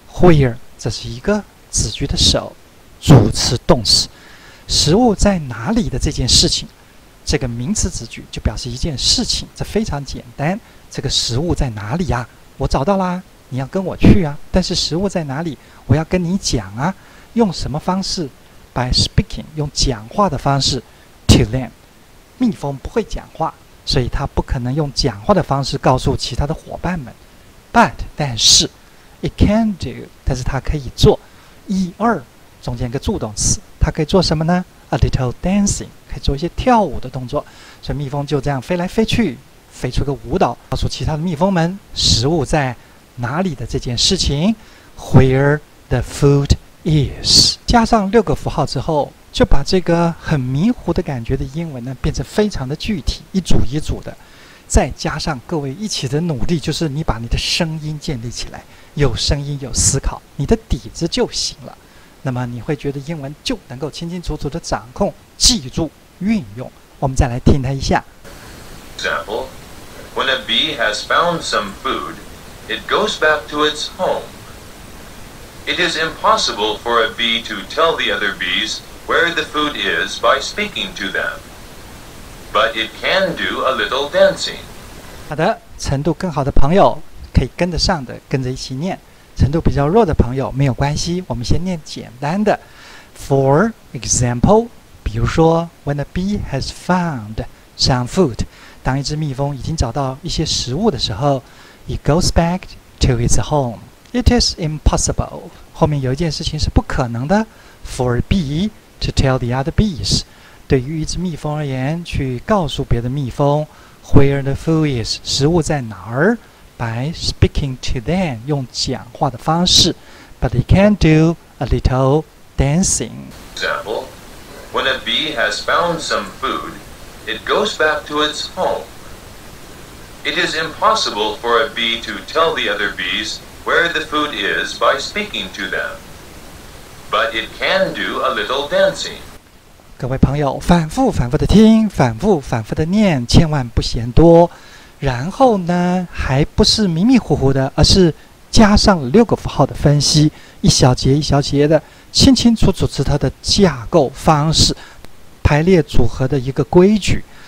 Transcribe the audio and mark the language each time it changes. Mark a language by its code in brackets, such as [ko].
[zh] Where, 这是一个子句的手，主词动词，食物在哪里的这件事情，这个名词子句就表示一件事情，这非常简单。这个食物在哪里啊？我找到啦，你要跟我去啊，但是食物在哪里，我要跟你讲啊，用什么方式？ [en] By speaking, 用讲话的方式 to them。 [zh] 蜜蜂不会讲话，所以它不可能用讲话的方式告诉其他的伙伴们。 But, 但是 , it can do, 但是它可以做一二中间一个助动词。它可以做什么呢？ A little dancing, 可以做一些跳舞的动作。所以蜜蜂就这样飞来飞去，飞出个舞蹈，告诉其他的蜜蜂们食物在哪里的这件事情。 Where the food is, 加上六个符号之后，就把这个很迷糊的感觉的英文呢变成非常的具体，一组一组的。再加上各位一起的努力，就是你把你的声音建立起来，有声音有思考，你的底子就行了。那么你会觉得英文就能够清清楚楚的掌控、记住、运用。我们再来听它一下。 [en] Example, when a bee has found some food, it goes back to its home. It is impossible for a bee to tell the other bees where the food is by speaking to them. But it can do a little dancing. [zh] 好的，程度更好的朋友可以跟得上的跟着一起念，程度比较弱的朋友没有关系，我们先念简单的。 [en] For example, 比如说 when a bee has found some food, 当一只蜜蜂已经找到一些食物的时候， it goes back to its home. It is impossible. 后面有一件事情是不可能的， for a beeTo tell the other bees, 对于一只蜜蜂而言，去告诉别的蜜蜂 where the food is, 食物在哪儿 by speaking to them, 用讲话的方式 but it can do a little dancing. Example, when a bee has found some food, it goes back to its home. It is impossible for a bee to tell the other bees where the food is by speaking to them. But it can do a little dancing. [zh] 各位朋友，反复反复的听，反复反复的念，千万不嫌多。然后呢，还不是迷迷糊糊的，而是加上六个符号的分析，一小节一小节的，清清楚楚知道它的架构方式，排列组合的一个规矩。